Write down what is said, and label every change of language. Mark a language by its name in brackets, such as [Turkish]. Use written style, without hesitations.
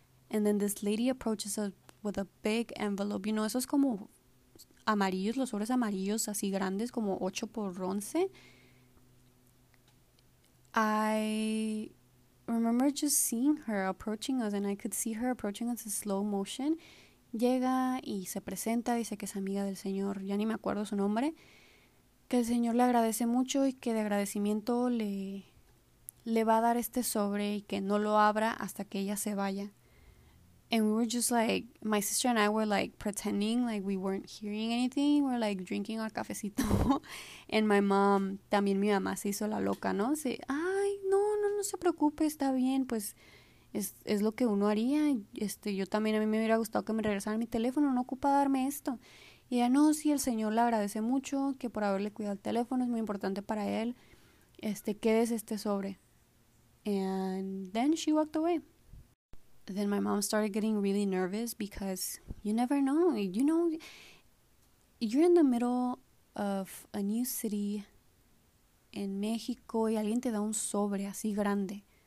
[English] And then this lady approaches us with a big envelope. You know, [Spanish] esos como amarillos, los sobres amarillos, así grandes, como 8 por 11. [English] I remember just seeing her approaching us, and I could see her approaching us in slow motion. [Spanish] Llega y se presenta, dice que es amiga del señor, ya ni me acuerdo su nombre, que el señor le agradece mucho y que de agradecimiento le va a dar este sobre y que no lo abra hasta que ella se vaya. [English] And we were just like, my sister and I were like pretending like we weren't hearing anything. We're like drinking our cafecito. And my mom, [Spanish] también mi mamá se hizo la loca, ¿no? Se, ay, no, no, no se preocupe, está bien. Pues es lo que uno haría. Yo también, a mí me hubiera gustado que me regresara mi teléfono. No ocupa darme esto. Y ella, no, sí, el señor le agradece mucho que por haberle cuidado el teléfono. Es muy importante para él. Quédese este sobre. [English] And then she walked away. Then my mom started getting really nervous because you never know. You know, you're in the middle of a new city [Spanish] en México y alguien te da un sobre así grande.